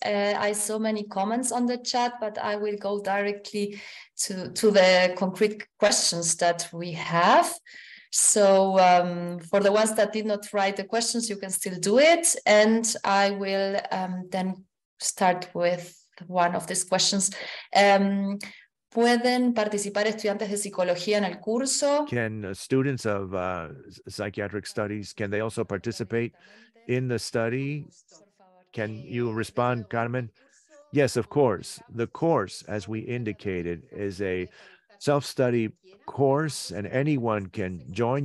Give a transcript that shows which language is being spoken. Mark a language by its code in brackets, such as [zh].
[en] I saw many comments on the chat, but I will go directly to the concrete questions that we have. So for the ones that did not write the questions, you can still do it. And I will then start with one of these questions. [es] ¿Pueden participar estudiantes de psicología en el curso? [en] Can students of psychiatric studies, can they also participate in the study? Can you respond, Carmen? Yes, of course. The course, as we indicated, is a self-study course, and anyone can join.